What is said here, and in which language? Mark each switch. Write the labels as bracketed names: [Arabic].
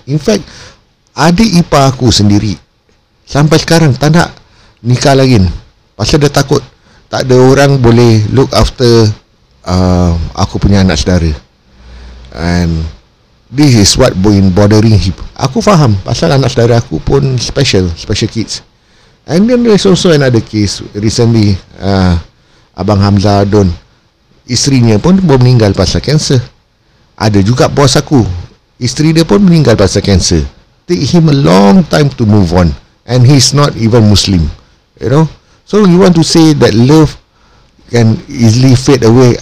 [Malay] In fact, adik ipar aku sendiri sampai sekarang tak nak nikah lagi pasal dia takut tak ada orang boleh [English] look after [Malay] aku punya anak saudara. [English] And this is what been bothering him. [Malay] Aku faham pasal anak saudara aku pun [English] special kids. And then there's also another case recently, Abang Hamzah Adun, [Malay] isterinya pun belum meninggal pasal kanser. Ada juga bos aku, isteri dia pun meninggal pasal kanser. [English] Take him a long time to move on, and he's not even Muslim, you know. So you want to say that love can easily fade away?